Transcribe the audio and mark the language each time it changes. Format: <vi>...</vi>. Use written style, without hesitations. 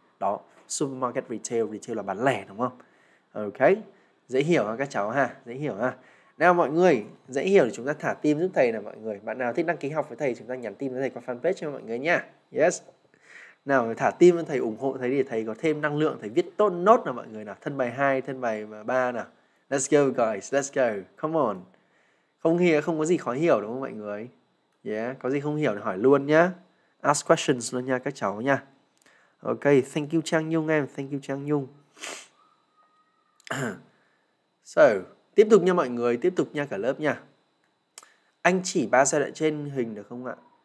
<vi>Đó, supermarket retail, retail là bán lẻ, đúng không? Ok, dễ hiểu không các cháu ha? Dễ hiểu ha? Nào mọi người, dễ hiểu thì chúng ta thả tim giúp thầy nè mọi người. Bạn nào thích đăng ký học với thầy, chúng ta nhắn tin với thầy qua fanpage cho mọi người nha. Yes. Nào thả tim với thầy, ủng hộ thầy đi, thầy có thêm năng lượng, thầy viết tốt nốt nè mọi người nào. Thân bài 2, thân bài 3 nè.</vi> <en>Let's go guys, let's go, come on.</en> <vi>Không hiểu, không có gì khó hiểu đúng không mọi người? Yeah, có gì không hiểu thì hỏi luôn nhá.</vi> <en>Ask questions</en> <vi>luôn nha các cháu nha.</vi> <en>Ok, thank you</en> <vi>Trang Nhung em, thank you Trang Nhung. So, tiếp tục nha mọi người, tiếp tục nha cả lớp nha. Anh chỉ ba giai đoạn trên hình được không ạ?</vi>